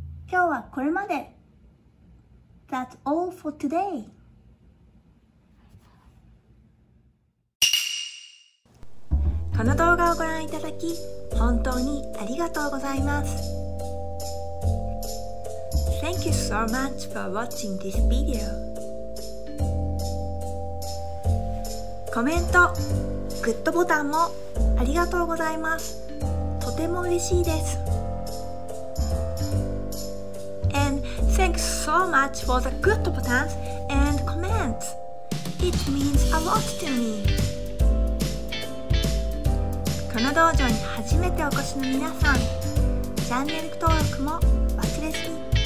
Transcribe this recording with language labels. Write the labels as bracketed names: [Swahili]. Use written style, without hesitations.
[Japanese] 今日はこれまで。 [English] That's all for today. [Japanese] この動画をご覧いただき、本当にありがとうございます。 [English] Thank you so much for watching this video. [Japanese] コメント、グッドボタンもありがとうございます。とても嬉しいです。 [English] And thanks so much for the good buttons and comments. It means a lot to me. [Japanese] この道場に初めてお越しの皆さん、チャンネル登録も忘れずに。